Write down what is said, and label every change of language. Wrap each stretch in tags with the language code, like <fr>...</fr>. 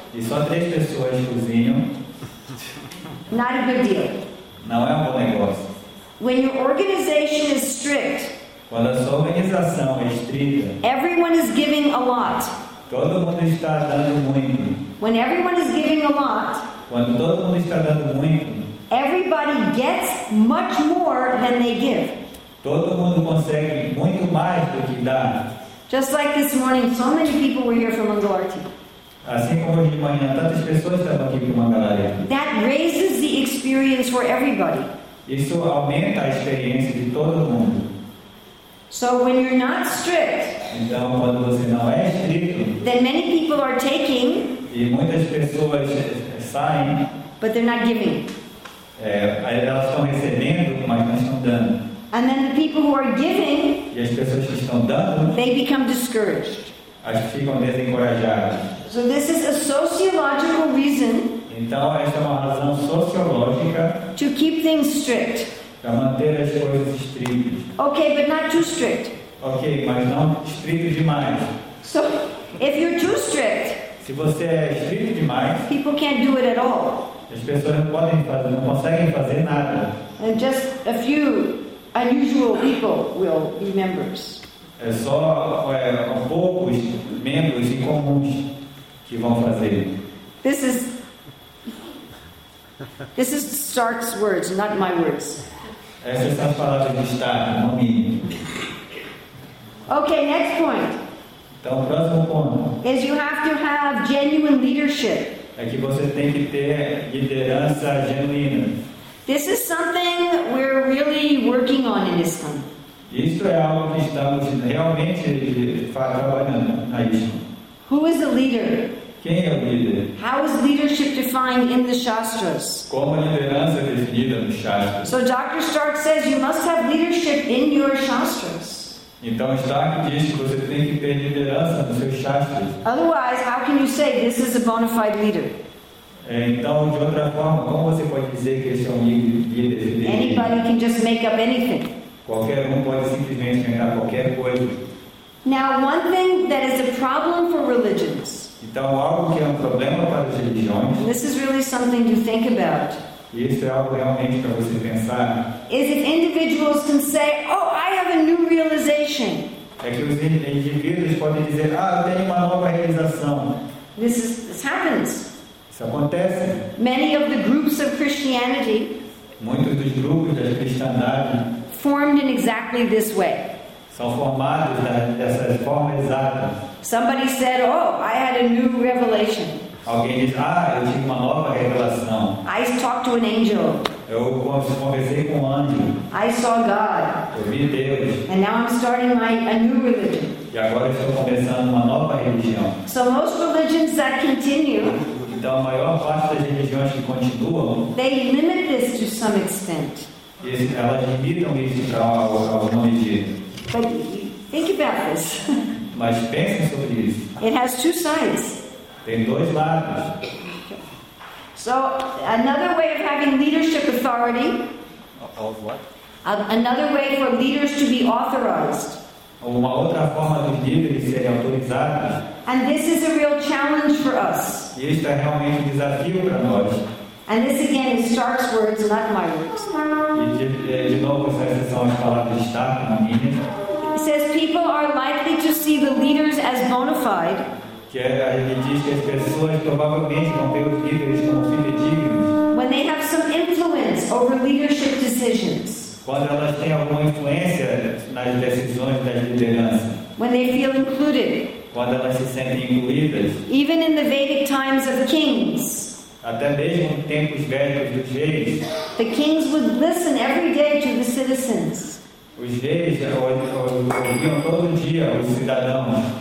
<pt>e só três pessoas cozinham,</pt> <en>not a good deal.</en> <pt>Não é um bom negócio.</pt> <en>When your organization is strict,</en> <pt>quando a sua organização é estrita,</pt> <en>everyone is giving a lot.</en> <pt>Todo mundo está dando muito.</pt> <en>When everyone is giving a lot,</en> <pt>quando todo mundo está dando muito,</pt> <en>everybody gets much more than they give.</en> <pt>Todo mundo consegue muito mais do que dá.</pt> <en>Just like this morning, so many people were here from Mangalarti.</en> <pt>Assim como hoje de manhã, tantas pessoas estavam aqui para Mangalarti.</pt> <en>That raises the experience for everybody.</en> <pt>Isso aumenta a experiência de todo mundo.</pt> <en>So when you're not strict,</en> <pt>então quando você não é estrito,</pt> <en>then many people are taking,</en> <pt>e muitas pessoas saem,</pt> <en>but they're not giving.</en> <pt>Elas estão recebendo, mas não estão dando.</pt> <en>And then the people who are giving,</en> <pt>e as pessoas que estão dando,</pt> <en>they become discouraged.</en> <pt>As que ficam desencorajadas.</pt> <en>So this is a sociological reason.</en> <pt>Então essa é uma razão sociológica.</pt> <en>To keep things strict.</en> <pt>Para manter as coisas estritas.</pt> <en>Okay, but not too strict.</en> <pt>Ok, mas não estrito demais.</pt> <en>So, if you're too strict,</en> <pt>se você é estrito demais,</pt> <en>people can't do it at all.</en> <pt>As pessoas não podem fazer, não conseguem fazer nada.</pt> <en>And just a few unusual people will be members.</en> <pt>É só poucos membros incomuns que vão fazer.</pt> <en>This is Stark's words, not my words.</en> <pt>Essas são as palavras de Stark, não minhas.</pt> <en>Okay, next point.</en> <pt>Então, o próximo ponto.</pt> <en>Is you have to have genuine leadership.</en> <pt>É que você tem que ter liderança genuína.</pt> <en>This is something we're really working on in this time.</en> <pt>Isso é algo que estamos realmente trabalhando na isso.</pt> <en>Who is the leader?</en> <pt>Quem é o líder?</pt> <en>How is leadership defined in the Shastras?</en> <pt>Como a liderança é definida nos Shastras?</pt> <en>So Dr. Stark says you must have leadership in your Shastras.</en> <pt>Então Stark diz que você tem que ter liderança nos seus Shastras.</pt> <en>Otherwise, how can you say this is a bona fide leader?</en> <pt>Então, de outra forma, como você pode dizer que esse é um líder?</pt> <en>Anybody can just make up anything.</en> <pt>Qualquer pode simplesmente inventar qualquer coisa.</pt> <en>Now, one thing that is a problem for religions.</en> <pt>Então, algo que é problema para as religiões.</pt> <en>This is really something to think about.</en> <pt>Isso é algo realmente para você pensar.</pt> <en>Is if individuals can say, "Oh, I have a new realization."</en> <pt>É que os indivíduos podem dizer, "Ah, eu tenho uma nova realização."</pt> <en>This happens.</en> <pt>Isso acontece.</pt> <en>Many of the groups of Christianity.</en> <pt>Muitos dos grupos da cristandade.</pt> <en>Formed in exactly this way.</en> <pt>São formados dessa forma exata.</pt> <en>Somebody said, "Oh, I had a new revelation."</en> <pt>Alguém diz, "Ah, eu tive uma nova revelação."</pt> <en>I talked to an angel.</en> <pt>Eu conversei com um anjo.</pt> <en>I saw God.</en> <pt>Eu vi Deus.</pt> <en>And now I'm starting a new religion.</en> <pt>E agora estou começando uma nova religião.</pt> <en>So most religions that continue.</en> <pt>Então a maior parte das religiões que continuam.</pt> <en>They limit this to some extent.</en> <pt>Elas limitam isso para alguma medida.</pt> <en>But think about this.</en> <pt>Mas pense sobre isso.</pt> <en>It has two sides.</en> <pt>Tem dois lados.</pt> <en>So another way of having leadership authority. Of what? Another way for leaders to be authorized.</en> <pt>Uma outra forma dos líderes serem autorizados.</pt> <en>And this is a real challenge for us.</en> <pt>E isso é realmente um desafio para nós.</pt> <en>And this again is Stark's words, not my words.</en> <pt>De novo, essas são as palavras de Stark, não minhas.</pt> <en>It says people are likely to see the leaders as bona fide.</en> <pt>Que ele diz que as pessoas provavelmente vão ver os líderes como fidedignos.</pt> <en>When they have some influence over leadership decisions.</en> <pt>Quando elas têm alguma influência nas decisões das lideranças.</pt> <en>When they feel included.</en> <pt>Quando elas se sentem incluídas.</pt> <en>Even in the Vedic times of the kings.</en> <pt>Até mesmo em tempos velhos dos reis.</pt> <en>The kings would listen every day to the citizens.</en> <pt>Os reis ouviam todo dia os cidadãos.</pt>